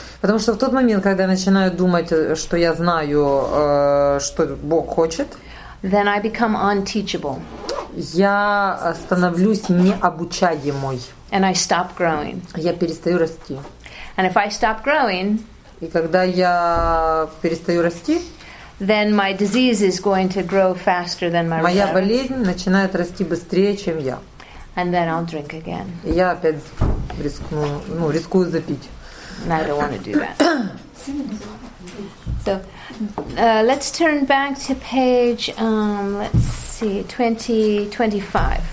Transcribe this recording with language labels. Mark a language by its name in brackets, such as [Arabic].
[Russian] Потому что в тот момент, когда я начинаю думать, что я знаю, что Бог хочет. [English] Then I become unteachable. [Russian] я становлюсь необучаемой. [English] And I stop growing. [Russian] Я перестаю расти. [English] And if I stop growing, [Russian] и когда я перестаю расти, [English] then my disease is going to grow faster than my. [Russian] Моя болезнь начинает расти быстрее, чем я. [English] And then I'll drink again. [Russian] И я опять рискну, ну, рискую запить. [English] And I don't want to do that. So, let's turn back to page. Let's see, 25.